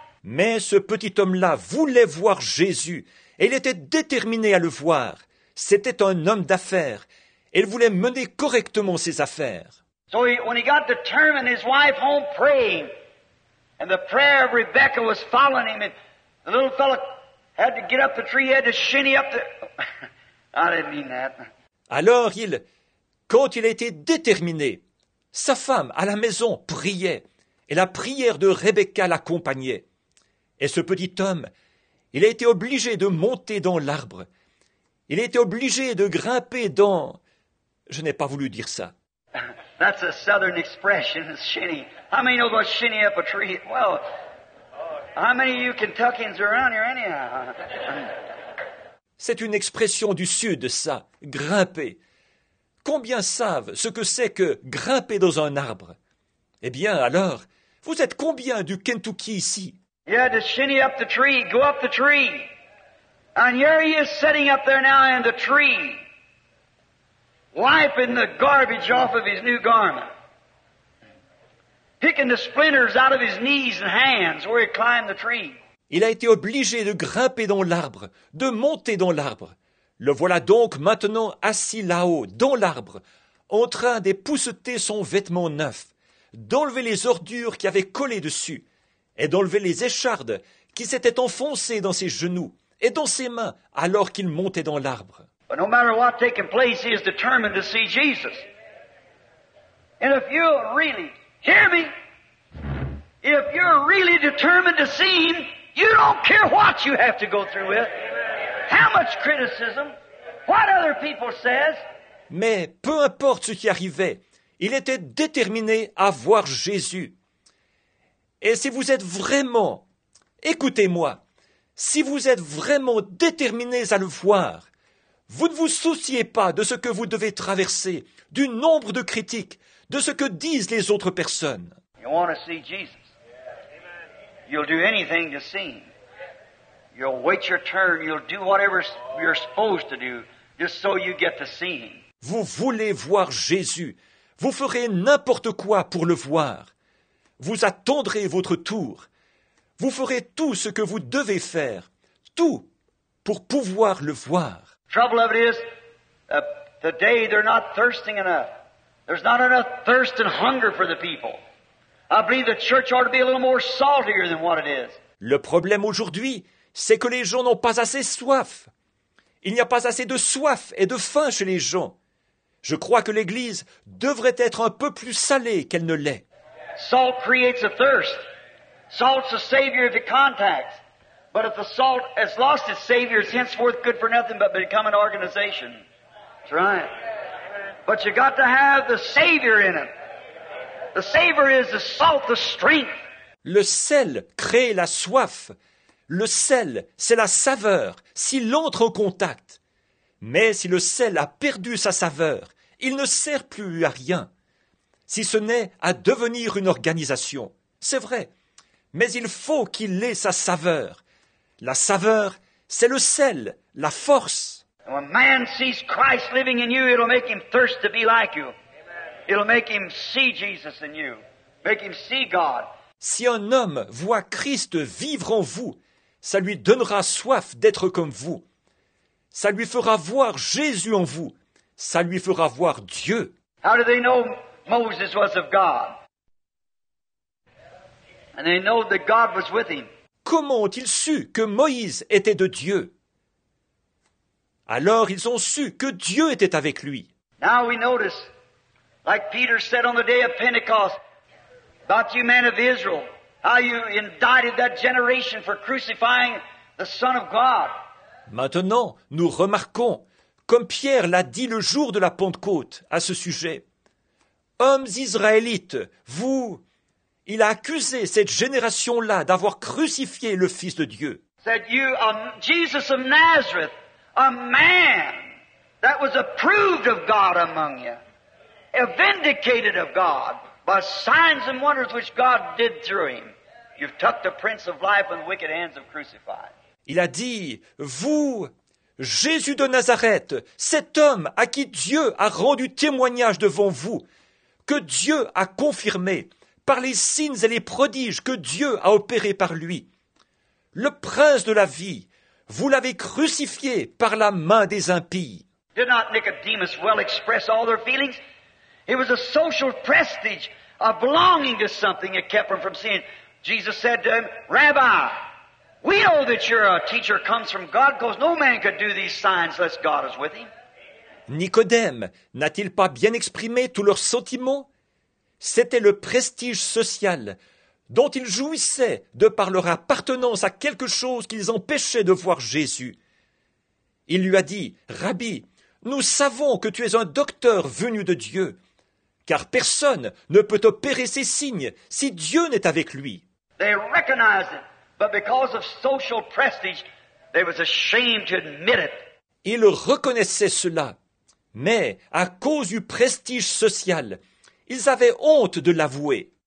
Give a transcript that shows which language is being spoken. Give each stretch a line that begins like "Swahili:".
French: Mais ce petit homme-là voulait voir Jésus, et il était déterminé à le voir. C'était un homme d'affaires, et il voulait mener correctement ses affaires.
English: So he, when he got determined, his wife home praying, and the prayer of Rebecca was following him, and the little fellow had to get up the tree, had to shinny up the... I didn't mean that.
French: Alors il, quand il a été déterminé, sa femme à la maison priait, et la prière de Rebecca l'accompagnait. Et ce petit homme, il a été obligé de monter dans l'arbre. Il a été obligé de grimper dans... Je n'ai pas voulu dire ça.
English: That's a southern expression, shinny. How many know about shinny up a tree? Well, how many of you Kentuckians are around here anyhow?
French: C'est une expression du sud, ça, grimper. Combien savent ce que c'est que grimper dans un arbre? Eh bien, alors, vous êtes combien du Kentucky ici?
English: He had to shinny up the tree, go up the tree. And here he is sitting up there now in the tree, wiping the garbage off of his new garment, picking the splinters out of his knees and hands where he climbed the tree.
French: Il a été obligé de grimper dans l'arbre, de monter dans l'arbre. Le voilà donc maintenant assis là-haut, dans l'arbre, en train d'épousseter son vêtement neuf, d'enlever les ordures qui avaient collé dessus, et d'enlever les échardes qui s'étaient enfoncées dans ses genoux et dans ses mains alors qu'il montait dans l'arbre.
English: But no matter what taking place, he is determined to see Jesus. And if you really, hear me, if you're really determined to see him, you don't care what you have to go through with, how much criticism, what other people says.
French: Mais peu importe ce qui arrivait, il était déterminé à voir Jésus. Et si vous êtes vraiment, écoutez-moi, si vous êtes vraiment déterminés à le voir, vous ne vous souciez pas de ce que vous devez traverser, du nombre de critiques, de ce que disent les autres personnes.
English: You want to see Jesus. You'll do anything to see him. You'll wait your turn. You'll do whatever you're supposed to do just so you get to see him.
French: Vous voulez voir Jésus. Vous ferez n'importe quoi pour le voir. Vous attendrez votre tour. Vous ferez tout ce que vous devez faire, tout pour pouvoir le voir.
English: Trouble of it is, today they're not thirsting enough. There's not enough thirst and hunger for the people. I believe the church ought to be a little more saltier than what it is.
French: Le problème aujourd'hui, c'est que les gens n'ont pas assez soif. Il n'y a pas assez de soif et de faim chez les gens. Je crois que l'Église devrait être un peu plus salée qu'elle ne l'est.
English: Salt creates a thirst. Salt's a savior if it contacts. But if the salt has lost its savior, it's henceforth good for nothing but become an organization. That's right. But you got to have the savior in it. The savior is the salt, the strength.
French: Le sel crée la soif. Le sel, c'est la saveur s'il entre en contact. Mais si le sel a perdu sa saveur, il ne sert plus à rien. Si ce n'est à devenir une organisation, c'est vrai. Mais il faut qu'il ait sa saveur. La saveur, c'est le sel, la force.
English: When man sees Christ living in you, it'll make him thirst to be like you. It'll make him see Jesus in you. Make him see God.
French: Si un homme voit Christ vivre en vous, ça lui donnera soif d'être comme vous. Ça lui fera voir Jésus en vous. Ça lui fera voir Dieu.
English: How do they know Moses was of God? And they know that God was with him.
French: Comment ont-ils su que Moïse était de Dieu? Alors ils ont su que Dieu était avec lui.
English: Now we notice, like Peter said on the day of Pentecost, about you men of Israel, How you indicted that generation for crucifying the Son of God.
French: Maintenant, nous remarquons, comme Pierre l'a dit le jour de la Pentecôte à ce sujet, « Hommes israélites, vous, il a accusé cette génération-là d'avoir crucifié le Fils de Dieu. »
English: Said you, Jesus of Nazareth, a man that was approved of God among you, vindicated of God by signs and wonders which God did through him. You've took the Prince of Life in the wicked hands of crucified.
French: Il a dit, vous, Jésus de Nazareth, cet homme à qui Dieu a rendu témoignage devant vous, que Dieu a confirmé par les signes et les prodiges que Dieu a opérés par lui. Le prince de la vie, vous l'avez crucifié par la main des impies.
English: Did not Nicodemus well express all their feelings? It was a social prestige, a belonging to something that kept them from seeing. Jesus said to him, Rabbi, we know that you're a teacher comes from God, because no man could do these signs unless God is with him.
French: Nicodème n'a-t-il pas bien exprimé tous leurs sentiments? C'était le prestige social dont ils jouissaient de par leur appartenance à quelque chose qu'ils empêchaient de voir Jésus. Il lui a dit, « Rabbi, nous savons que tu es un docteur venu de Dieu, car personne ne peut opérer ces signes si Dieu n'est avec lui. »
English: They recognized it, but because of social prestige, they was ashamed to admit it.
French: Ils reconnaissaient cela, mais à cause du prestige social, ils avaient honte de l'avouer.